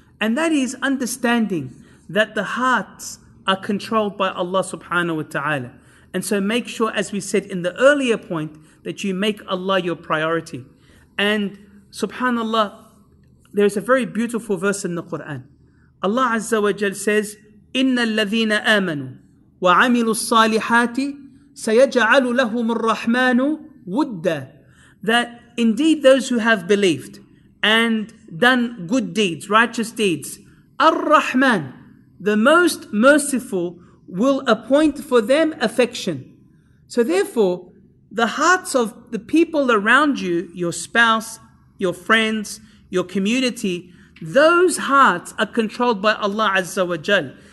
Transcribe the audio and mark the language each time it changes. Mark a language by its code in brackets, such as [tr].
[en] And that is understanding that the hearts are controlled by Allah subhanahu wa ta'ala. And so make sure, as we said in the earlier point, that you make Allah your priority. And subhanallah, there is a very beautiful verse in the Quran. Allah Azza wa Jal says, [ar] إِنَّ الَّذِينَ آمَنُوا وَعَمِلُوا الصَّالِحَاتِ سَيَجَعَلُ لَهُمُ الرَّحْمَانُ وُدَّ. [en] That indeed those who have believed and done good deeds, righteous deeds, الرَّحْمَان, the most merciful, will appoint for them affection. So therefore, the hearts of the people around you, your spouse, your friends, your community, those hearts are controlled by Allah Azza wa Jal.